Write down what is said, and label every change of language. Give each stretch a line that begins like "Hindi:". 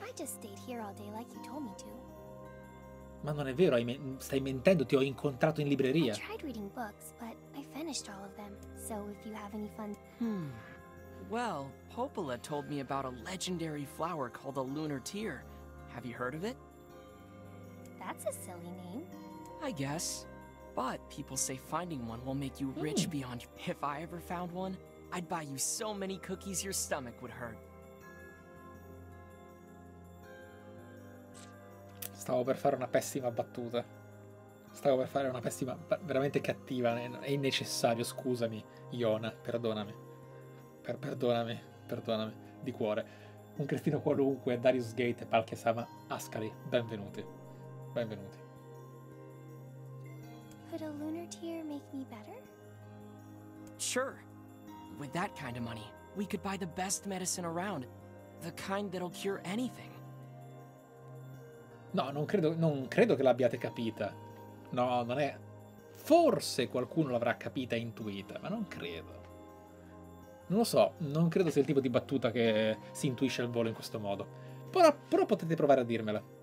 English: I just stayed here all day like you told me to.
Italian: Ma non è vero, stai mentendo, ti ho incontrato in libreria.
English: I tried reading books, but I finished all of them. So if you have any fun. Well, Popola told me about a legendary flower called a lunar tear. Have you heard of it? That's a silly name. I guess. But people say finding one will make you rich beyond. If I ever found one, I'd buy you so many cookies your stomach would hurt.
Italian: Stavo per fare una pessima battuta. Stavo per fare una pessima, veramente cattiva. È innecessario, scusami, Iona, perdonami. Perdonami, di cuore. Un cretino qualunque, Darius Gate, Palkesama, Ascari, benvenuti. Benvenuti.
English: Could a lunar tear make me better? Sure. With that kind of money, we could buy the best medicine around. The kind that'll cure anything.
Italian: No, non credo che l'abbiate capita. No, non è... Forse qualcuno l'avrà capita e intuita, ma non credo. Non lo so, non credo sia il tipo di battuta che si intuisce al volo in questo modo. Però potete provare a dirmela.